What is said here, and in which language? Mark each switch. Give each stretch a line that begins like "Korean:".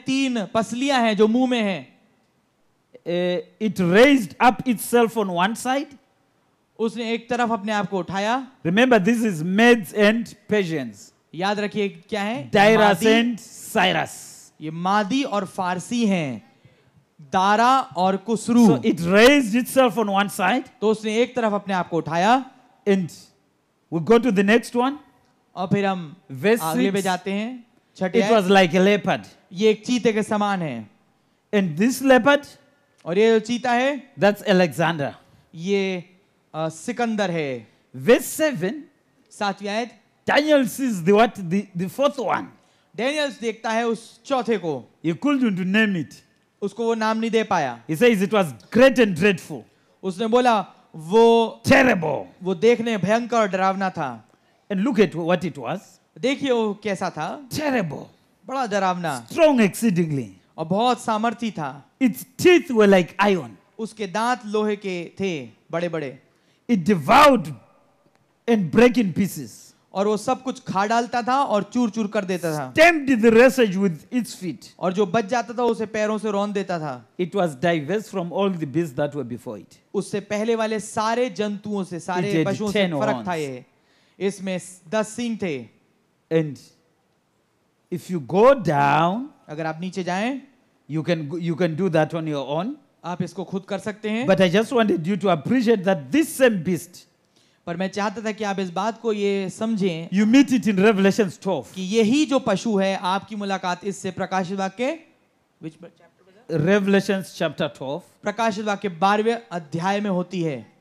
Hindi: तीन पसलियां हैं जो मुंह में है.
English: It raised up itself on one side.
Hindi: उसने एक तरफ अपने आप को उठाया.
English: Remember, this is Medes and Persians.
Hindi: याद रखिए क्या है?
English: Darius and Cyrus.
Hindi: ये मादी और फारसी हैं. दारा और Khusro.
English: So it raised itself on one side.
Hindi: तो उसने एक तरफ अपने आप को उठाया.
English: And we go to the next one.
Hindi: और फिर हम आगे पे जाते हैं. छठे.
English: It was like a leopard.
Hindi: ये एक चीते के समान है.
English: And this leopard.
Hindi: और ये जो चीता है.
English: That's Alexander.
Hindi: ये सिकंदर है.
English: Verse 7.
Hindi: सातवीं आयत.
English: Daniel sees the what? The fourth one.
Hindi: Daniel देखता है उस चौथे को.
English: He couldn't name it.
Hindi: उसको वो नाम नहीं दे पाया.
English: He says it was great and dreadful.
Hindi: उसने बोला वो
English: terrible.
Hindi: वो देखने भयंकर डरावना था.
English: And look at what it was.
Hindi: देखिए वो कैसा था.
English: Terrible.
Hindi: बड़ा डरावना.
English: Strong exceedingly.
Hindi: और बहुत सामर्थी था.
English: Its teeth were like iron.
Hindi: उसके दांत लोहे के थे, बड़े-बड़े.
English: It devoured and broke in pieces.
Hindi: और वो सब कुछ खा डालता था और चूर चूर कर देता था.
English: Stamped the wreckage with its feet.
Hindi: और जो बच जाता था उसे पैरों से रौंद देता था. It was diverse from all the beasts that were before it. उससे पहले वाले सारे जंतुओं से सारे पशुओं से फर्क था ये. इसमें 10 सींग थे.
English: And if you go down,
Hindi: अगर आप नीचे जाएं,
English: you can do that on your own.
Hindi: आप इसको खुद कर सकते हैं.
English: But I just wanted you to appreciate that this same beast.
Hindi: पर मैं चाहता था कि आप इस बात को ये समझें.
English: You meet it in Revelation 12.
Hindi: कि यही जो पशु है आपकी मुलाकात इससे प्रकाशित वाक्य.
English: Which chapter? Revelation chapter 12.
Hindi: प्रकाशित वाक्य 12वें अध्याय में होती है.